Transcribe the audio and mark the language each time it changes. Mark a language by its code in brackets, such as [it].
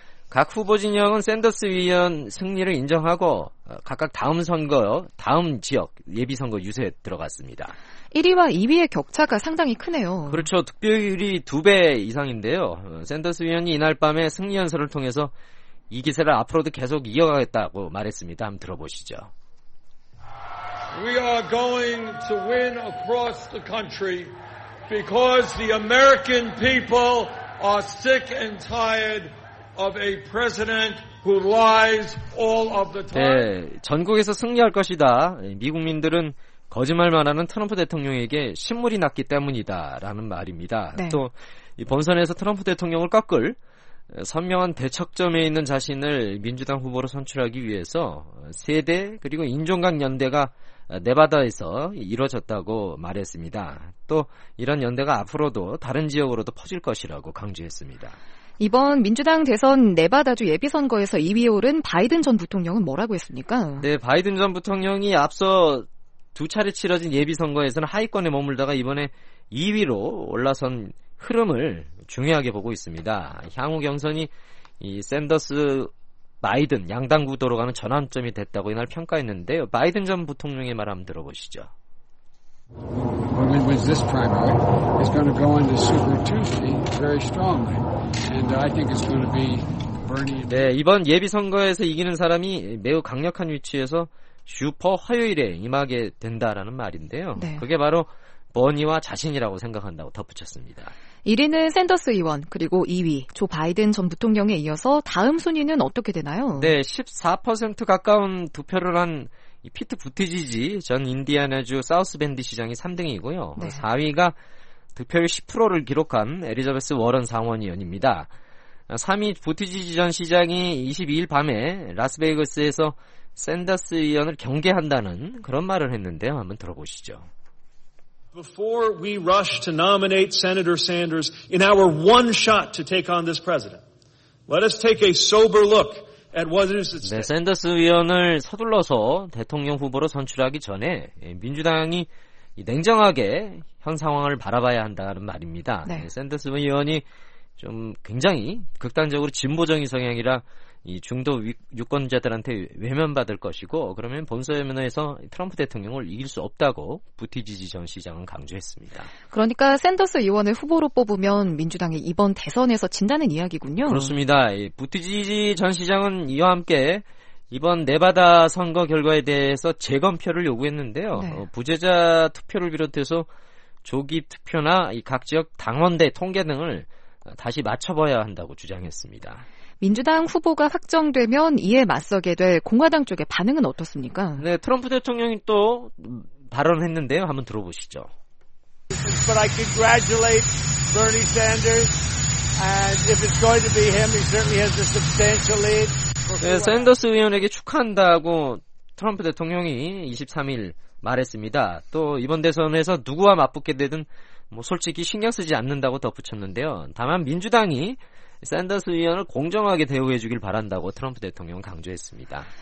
[ko] 각 후보 진영은 샌더스 위원 승리를 인정하고 각각 다음 선거, 다음 지역 예비선거 유세에 들어갔습니다. 1위와 2위의 격차가 상당히 크네요. 그렇죠. 득표율이 2배 이상인데요. 샌더스 위원이 이날 밤에 승리 연설을 통해서 이 기세를 앞으로도 계속 이어가겠다고 말했습니다. 한번 들어보시죠. [en] We are going to win across the country because the American people are sick and tired of a president who lies all of the time. [ko] 네, 전국에서 승리할 것이다. 미국민들은 거짓말만 하는 트럼프 대통령에게 신물이 났기 때문이다. 라는 말입니다. 네. 또 이 본선에서 트럼프 대통령을 꺾을 선명한 대척점에 있는 자신을 민주당 후보로 선출하기 위해서 세대 그리고 인종간 연대가 네바다에서 이루어졌다고 말했습니다. 또 이런 연대가 앞으로도 다른 지역으로도 퍼질 것이라고 강조했습니다. 이번 민주당 대선 네바다주 예비선거에서 2위에 오른 바이든 전 부통령은 뭐라고 했습니까? 네, 바이든 전 부통령이 앞서 두 차례 치러진 예비선거에서는 하위권에 머물다가 이번에 2위로 올라선 흐름을 중요하게 보고 있습니다. 향후 경선이 이 샌더스 바이든 양당 구도로 가는 전환점이 됐다고 이날 평가했는데요. 바이든 전 부통령의 말 한번 들어보시죠. [en] Whoever wins this primary is going to go into Super Tuesday very strongly, and I think it's going to be Bernie. [ko] 네, 이번 예비 선거에서 이기는 사람이 매우 강력한 위치에서 슈퍼 화요일에 임하게 된다라는 말인데요. 네. 그게 바로 버니와 자신이라고 생각한다고 덧붙였습니다. 1위는 샌더스 의원, 그리고 2위 조 바이든 전 부통령에 이어서 다음 순위는 어떻게 되나요? 네, 14% 가까운 투표를 한 피트 부티지지 전 인디애나주 사우스밴드 시장이 3등이고요. 네. 4위가 득표율 10%를 기록한 엘리자베스 워런 상원의원입니다. 3위 부티지지 전 시장이 22일 밤에 라스베이거스에서 샌더스 의원을 경계한다는 그런 말을 했는데요. 한번 들어보시죠. [en] Before we rush to nominate Senator Sanders in our one shot to take on this president, let us take a sober look at what is at stake. [ko] 네, 샌더스 의원을 서둘러서 대통령 후보로 선출하기 전에 민주당이 냉정하게 현 상황을 바라봐야 한다는 말입니다. 네. 샌더스 의원이 좀 굉장히 극단적으로 진보적인 성향이라 이 중도 유권자들한테 외면받을 것이고 그러면 본선 면에서 트럼프 대통령을 이길 수 없다고 부티지지 전 시장은 강조했습니다. 그러니까 샌더스 의원을 후보로 뽑으면 민주당이 이번 대선에서 진다는 이야기군요. 그렇습니다. 부티지지 전 시장은 이와 함께 이번 네바다 선거 결과에 대해서 재검표를 요구했는데요. 네. 부재자 투표를 비롯해서 조기 투표나 각 지역 당원대 통계 등을 다시 맞춰봐야 한다고 주장했습니다. 민주당 후보가 확정되면 이에 맞서게 될 공화당 쪽의 반응은 어떻습니까? 네, 트럼프 대통령이 또 발언했는데요. 한번 들어보시죠. [en] But I congratulate Bernie Sanders, and if it's going to be him, he certainly has a substantial lead. [ko] 네, 샌더스 의원에게 축하한다고 트럼프 대통령이 23일 말했습니다. 또 이번 대선에서 누구와 맞붙게 되든 뭐 솔직히 신경 쓰지 않는다고 덧붙였는데요. 다만 민주당이 샌더스 의원을 공정하게 대우해 주길 바란다고 트럼프 대통령은 강조했습니다.